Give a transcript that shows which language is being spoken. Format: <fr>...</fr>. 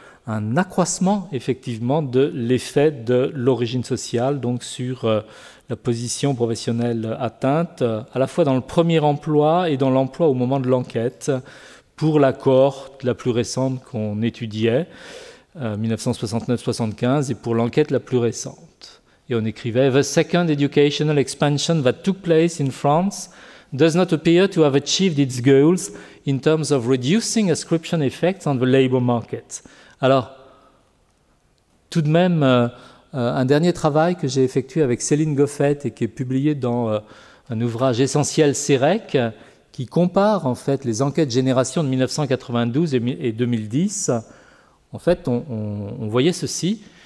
<fr>un accroissement, effectivement, de l'effet de l'origine sociale, donc sur la position professionnelle atteinte, à la fois dans le premier emploi et dans l'emploi au moment de l'enquête, pour la cohorte la plus récente qu'on étudiait, 1969-75, et pour l'enquête la plus récente. Et on écrivait</fr> <en>« The second educational expansion that took place in France does not appear to have achieved its goals in terms of reducing ascription effects on the labor market ».</en> <fr>Alors, tout de même, un dernier travail que j'ai effectué avec Céline Goffet et qui est publié dans un ouvrage essentiel CEREC, qui compare en fait les enquêtes génération de 1992 et 2010, en fait, on voyait ceci.</fr>